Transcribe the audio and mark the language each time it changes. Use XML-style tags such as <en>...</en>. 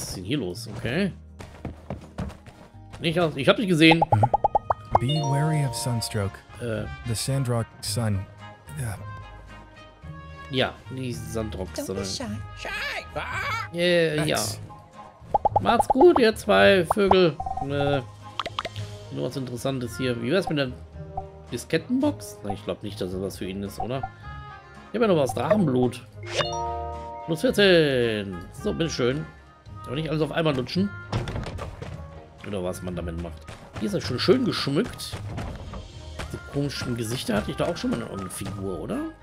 <de>Was ist denn hier los? Okay. Nicht aus. Ich hab dich gesehen.</de> <en>Be wary of Sunstroke. The Sandrock Sun. Yeah.</en> <de>Ja, die Sandrock Sun. Ja. Macht's gut, ihr zwei Vögel. Nur was Interessantes hier. Wie wär's mit der Diskettenbox? Ich glaube nicht, dass das was für ihn ist, oder? Ich habe ja noch was Drachenblut. Plus 14. So, bitteschön. Aber nicht alles auf einmal lutschen. Oder was man damit macht. Hier ist er schon schön geschmückt. Die komischen Gesichter hatte ich da auch schon mal in irgendeiner Figur, oder?</de>